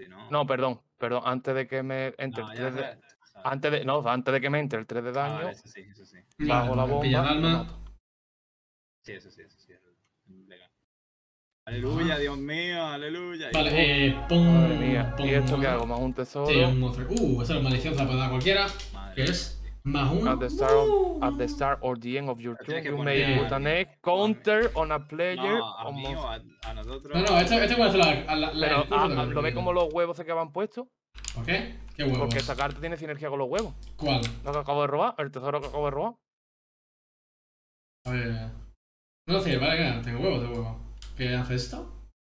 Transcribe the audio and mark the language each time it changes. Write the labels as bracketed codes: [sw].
[es] No, perdón, antes de que me entre el 3 de. Antes de que me entre el 3 de daño. Eso sí. Bajo la bomba. Pilla el alma. Sí, eso sí. Aleluya, ah. Dios mío, aleluya. Vale, pum. Madre mía. ¿Y esto qué hago? Más un tesoro. Sí, un monstruo. Eso es maldición, se la puede dar cualquiera. Madre. ¿Qué es? [en] At the start, at the start or the end of your turn, you may put an egg counter on a player. [es] No, a mí, a nosotros. No, no, este puede ser la. Pero lo ve como los huevos se quedan puestos. ¿Por qué? ¿Qué huevos? Porque esta carta tiene sinergia con los huevos. ¿Cuál? Lo que acabo de robar, el tesoro que acabo de robar. A ver. No, sí, vale, que tengo huevos, tengo huevos. ¿Qué hace esto?